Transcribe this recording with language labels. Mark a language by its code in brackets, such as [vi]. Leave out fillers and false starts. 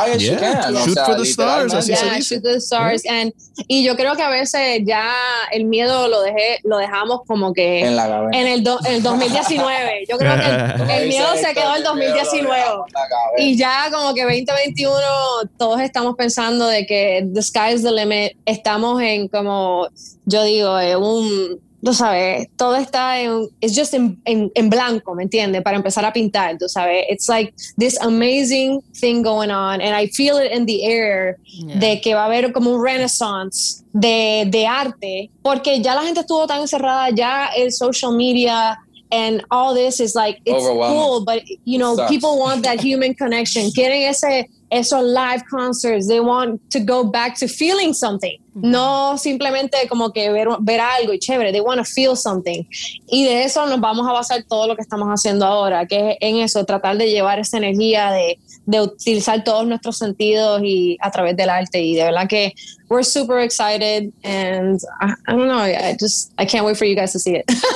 [en] Aim the highest you can, shoot for the stars. [es] Y yo creo que a veces ya el miedo lo dejamos como que en el 2019. Yo creo que el miedo se quedó en el 2019 y ya como que 2021 todos estamos pensando de que the sky is the limit. Estamos en, como yo digo, tú sabes, todo está en blanco, ¿me entiendes? Para empezar a pintar, tú sabes. [en] It's like this amazing thing going on and I feel it in the air, yeah. [es] De que va a haber como un renaissance de arte, porque ya la gente estuvo tan encerrada, ya el social media [en] and all this is like, it's cool, but you know, people want that human connection. [es] Quieren esos [en] live concerts, they want to go back to feeling something. [es] No simplemente como que ver algo y chévere, [en] they want to feel something. [es] Y de eso nos vamos a basar todo lo que estamos haciendo ahora, que es en eso, tratar de llevar esa energía de utilizar todos nuestros sentidos y a través del arte. Y de verdad que [en] we're super excited and I can't wait for you guys to see it.